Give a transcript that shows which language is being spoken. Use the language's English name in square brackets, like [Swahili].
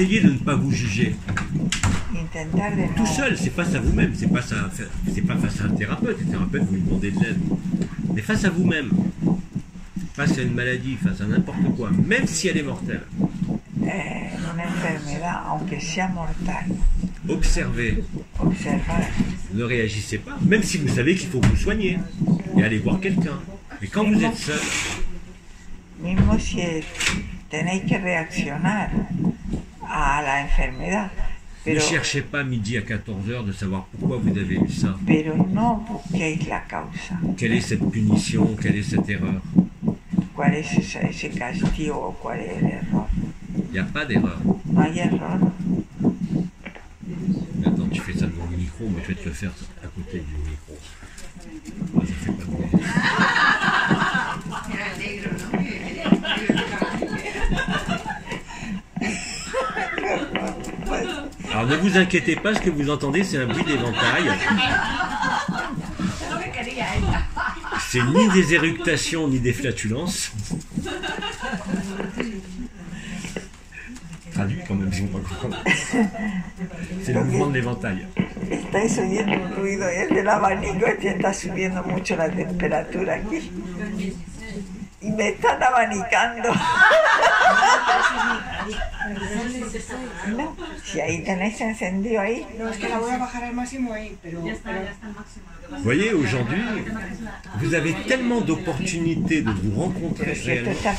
[French] Essayez de ne pas vous juger. Tout seul, c'est face à vous-même, c'est pas face à un thérapeute. Le thérapeute, vous lui demandez de l'aide. Mais face à vous-même, face à une maladie, face à n'importe quoi, même si elle est mortelle. [Spanish] Une enfermedad, aunque sea mortal. [French] Observez. [Spanish] Observar. [French] Ne réagissez pas, même si vous savez qu'il faut vous soigner et aller voir quelqu'un. Mais quand vous êtes seul. [Spanish] Mismo si tenéis que reaccionar a la enfermedad. [French] Ne cherchez pas midi à 14h de savoir pourquoi vous avez eu ça. [Spanish] Pero no busquéis la causa. [French] Quelle est cette punition, quelle est cette erreur? [Spanish] ¿Cuál es ese castigo o cuál es el error? [French] Il n'y a pas d'erreur. [Spanish] No hay error. [French] Attends, tu fais ça devant le micro, mais je vais te le faire à côté du micro. Ça fait pas bon. Alors ne vous inquiétez pas, ce que vous entendez, c'est un bruit d'éventail. C'est ni des éructations ni des flatulences. Traduit quand même, si on ne comprend pas. C'est le mouvement de l'éventail. [Spanish] Estáis oyendo un ruido, el del abanico, y está subiendo mucho la temperatura aquí. Y me están abanicando. No, si ahí tenéis encendido ahí. No, es que la voy a bajar al máximo ahí, pero. Ya está, ya está al máximo. [French] Vous voyez, aujourd'hui, vous avez tellement d'opportunités de vous rencontrer réellement.